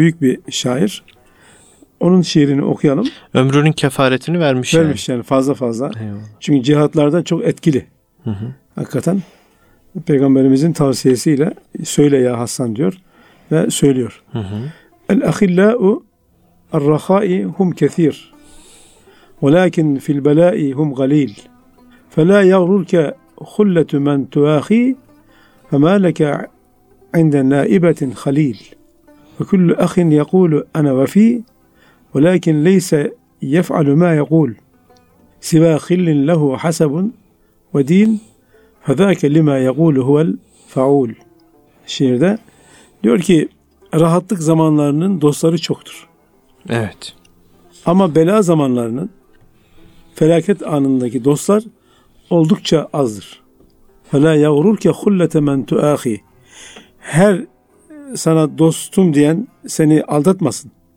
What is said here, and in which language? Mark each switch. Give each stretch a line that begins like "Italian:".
Turkish: Büyük bir şair. Onun şiirini okuyalım. Ömrünün kefaretini vermiş. Vermiş yani fazla. Eyvallah. Çünkü cihatlarda çok etkili. Hakikaten Peygamberimizin tavsiyesiyle söyle ya Hasan diyor ve söylüyor.
Arabic: El ahillâ'u arrahâ'i hum kethîr. ولكن في البلاء هم قليل فلا يغررك خلة من تواخي فما لك عند نائبة خليل فكل أخ يقول أنا وفي ولكن ليس يفعل ما يقول سوى خل له حسب ودين فذاك لما يقول هو الفعول.
Turkish: Şiirde diyor ki rahatlık zamanlarının dostları çoktur. Evet. Ama bela zamanlarının, felaket anındaki dostlar oldukça azdır.
Arabic: Fela yavrurke hullete men tuahi.
Turkish: Her sana dostum diyen seni aldatmasın.